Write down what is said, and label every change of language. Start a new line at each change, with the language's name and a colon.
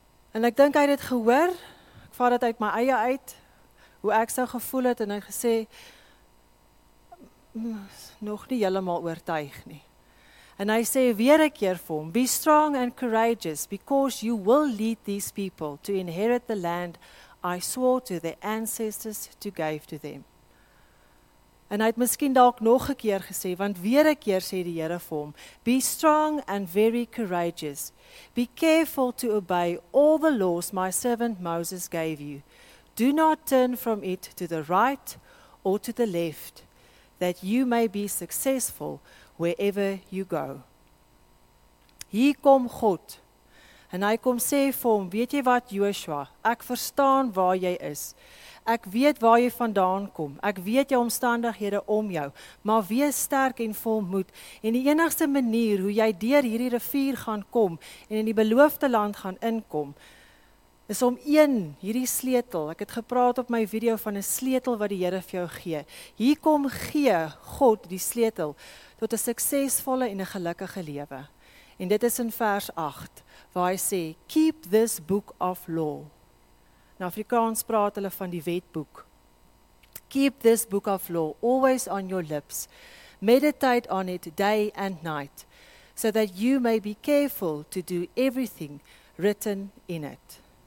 Afrikaans: En ek dink hy het dit gehoor, vat dit uit my eie uit, hoe ek sou gevoel het, en hy gesê, nog nie heeltemal oortuig nie. En hy sê weer 'n keer vir hom,
English: be strong and courageous, because you will lead these people to inherit the land I swore to their ancestors to give to them.
Afrikaans: En hy het miskien dalk nog 'n keer gesê, want weer 'n keer sê die Here vir hom,
English: be strong and very courageous. Be careful to obey all the laws my servant Moses gave you. Do not turn from it to the right or to the left, that you may be successful wherever you go.
Afrikaans: Hier kom God, en hy kom sê vir hom, weet jy wat, Joshua, ek verstaan waar jy is. Ek weet waar jy vandaan kom. Ek weet jou omstandighede om jou. Maar wees sterk en vol moed. En die enigste manier hoe jy deur hierdie rivier gaan kom en in die beloofde land gaan inkom, is om een, hierdie sleutel, ek het gepraat op my video van 'n sleutel wat die Here vir jou gee. Hier kom gee God die sleutel tot 'n suksesvolle en 'n gelukkige lewe. En dit is in vers 8, waar hy sê,
English: keep this book of law.
Afrikaans: In Afrikaans praat hulle van die wetboek.
English: Keep this book of law always on your lips. Meditate on it day and night, so that you may be careful to do everything written in it.